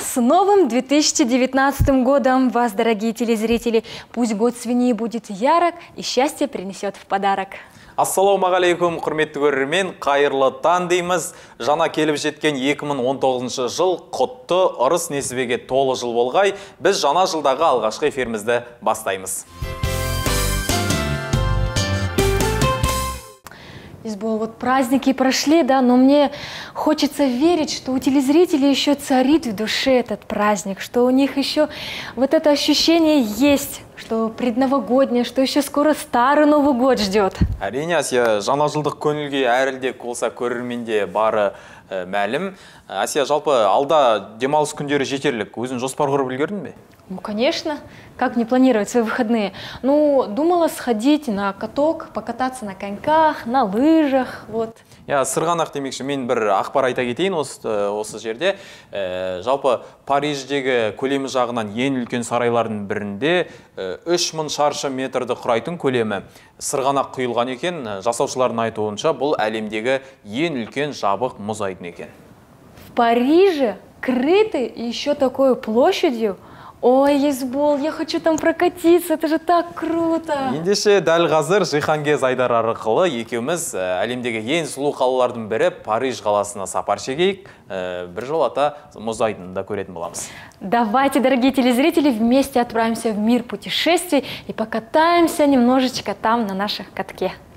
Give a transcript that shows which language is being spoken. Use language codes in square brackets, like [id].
[ru] С новым 2019 годом вас, дорогие телезрители! Пусть год свиньи будет ярок и счастье принесет в подарок! [kk] Ассаламу алейкум, құрметті көрермен, қайырлы таң дейміз. Жаңа келіп жеткен 2019 жыл құтты ырыс несібеге толы жыл болғай, біз жаңа жылдағы алғашқы эфирімізді бастаймыз. [ru] Избол, вот праздники прошли, да, но мне хочется верить, что у телезрителей еще царит в душе этот праздник, что у них еще вот это ощущение есть, что предновогоднее, что еще скоро старый Новый год ждет. [kk] Арине, Асия, жаңа жылдық көңілге әрілде қолса көрерменде бары мәлім. Асия, жалпы, алда демалыс күндері жетерлік, өзін жоспар құрып үлгердің бе? [ru] Ну, конечно. Как не планировать свои выходные? Ну, думала сходить на каток, покататься на коньках, на лыжах, вот. [kk] Я сырғанақ демекші, мен бір ақпар айта кетейін осы жерде. Жалпы, Париждегі көлемі жағынан ең үлкен сарайлардың бірінде 3000 шаршы метрді құрайтын көлемі сырғанақ құйылған екен. Жасаушылардың айтуынша, бұл әлемдегі ең үлкен жабық мұз айдын екен. [ru] В Париже крытый еще такой площадью. Ой, Есбол, я хочу там прокатиться, это же так круто! [kk] Ендеше, дәл қазір Жиханге Зайдар арқылы екеуміз әлемдегі ең сұлу қалалардың бірі Париж қаласына сапар шегейік. Бір жолата мұз айдынын да көретін боламыз. [ru] Давайте, дорогие телезрители, вместе отправимся в мир путешествий и покатаемся немножечко там, на наших катке.